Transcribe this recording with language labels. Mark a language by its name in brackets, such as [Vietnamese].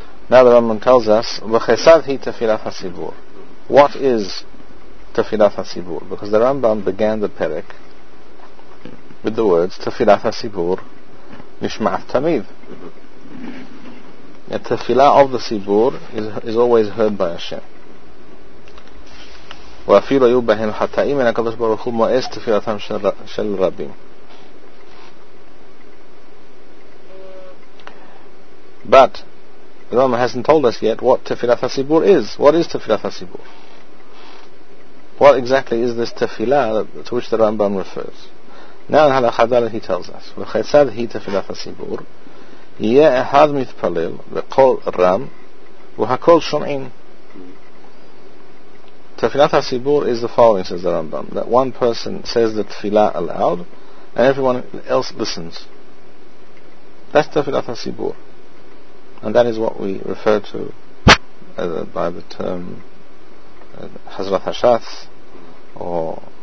[English] Now the Rambam tells us, v'chesad hi tefilat hasibur. What is tefilat hasibur? Because the Rambam began the perek with the words tefilat hasibur nishmat tamid. A tefilah of the sibur is always heard by Hashem. [Hebrew] ואפילו היו בהם חטאים, אין הקדוש ברוך הוא מואס תפילתם של רבים. [English] But the Rambam hasn't told us yet what tefilat hasibur is. What is tefilat hasibur? What exactly is this tefilah to which the Rambam refers? Now in Halachat Daled he tells us, [Hebrew] וכיצד היא תפילת הסיבור? יהיה אחד מתפלל בקול רם והקול שומעים. [English] Tefillat HaSibur is the following, says the Rambam, that one person says the tefillah aloud and everyone else listens. That's Tefillat HaSibur, and that is what we refer to by the term Hazrat HaShatz, or